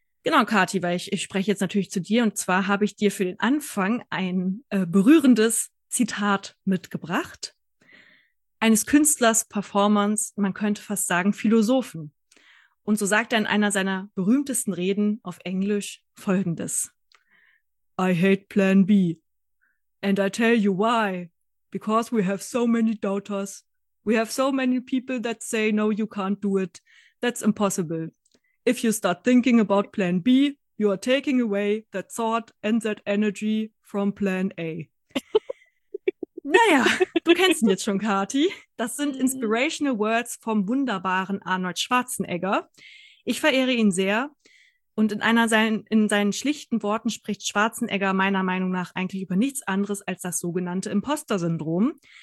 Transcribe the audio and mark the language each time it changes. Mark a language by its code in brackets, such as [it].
[de] Genau, Kathi, weil ich spreche jetzt natürlich zu dir. Und zwar habe ich dir für den Anfang ein berührendes Zitat mitgebracht. Eines Künstlers, Performers, man könnte fast sagen Philosophen. Und so sagt er in einer seiner berühmtesten Reden auf Englisch Folgendes. [en] I hate Plan B. And I tell you why. Because we have so many doubters. We have so many people that say, no, you can't do it. That's impossible. If you start thinking about Plan B, you are taking away that thought and that energy from Plan A. [de] Naja, du kennst ihn jetzt schon, Kathi. Das sind [en] inspirational words [de] vom wunderbaren Arnold Schwarzenegger. Ich verehre ihn sehr. Und in seinen schlichten Worten spricht Schwarzenegger meiner Meinung nach eigentlich über nichts anderes als das sogenannte Imposter-Syndrom.